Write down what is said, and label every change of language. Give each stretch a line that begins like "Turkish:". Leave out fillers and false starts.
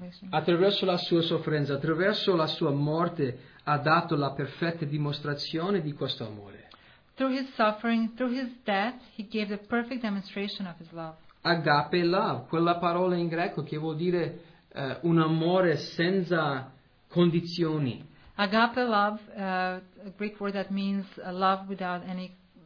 Italian: Attraverso la sua sofferenza, attraverso la sua morte, ha dato la perfetta dimostrazione di questo amore.
English: Through his suffering, through his death, he gave the perfect demonstration of his love.
Italian: Agape love, quella parola in greco che vuol dire un amore senza condizioni.
English: Agape love, a Greek word that means a love without any